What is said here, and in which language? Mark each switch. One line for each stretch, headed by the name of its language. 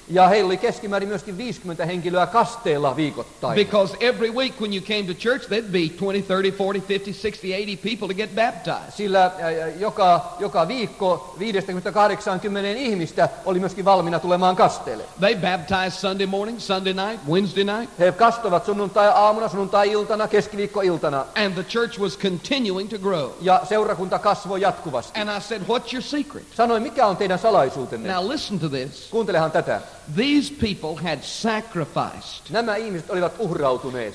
Finnish: Ja heillä oli keskimäärin myöskin 50 henkilöä kasteella viikoittain.
English: Because every week when you came to church, there'd be 20, 30, 40, 50, 60, 80 people to get baptized.
Finnish: Sillä joka viikko 50-80 ihmistä oli myöskin valmiina tulemaan kasteelle.
English: They baptized Sunday morning, Sunday night, Wednesday night.
Finnish: He kastoivat sunnuntai-aamuna, sunnuntai-iltana, keskiviikko-iltana.
English: And the church was continuing to grow.
Finnish: Ja seurakunta kasvoi jatkuvasti.
English: And I said, what's your secret?
Finnish: Sanoin, mikä on teidän salaisuutenne?
English: Now listen to this.
Finnish: Kuuntelehan tätä.
English: These people had sacrificed.
Finnish: Nämä ihmiset olivat uhrautuneet.